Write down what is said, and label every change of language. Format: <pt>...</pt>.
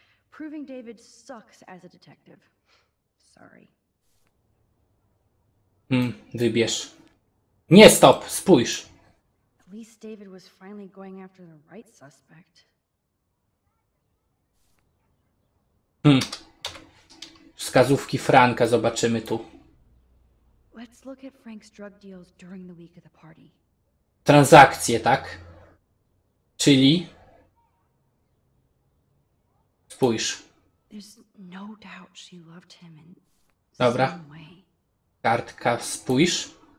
<en>Proving David sucks as a detective. Sorry.</en> <pl>Hmm, wybierz. Nie, stop, spójrz.</pl> <en>At least David was finally going after the right suspect. Hmm.</en> <pl>Wskazówki Franka, zobaczymy tu.</pl> <en>Let's look at Frank's drug deals during the week of the party.</en> <pl>Transakcje, tak? Czyli? Spójrz.</pl> <en>There's no doubt she loved him in some way.</en> <pl>Kartka, spójrz.</pl>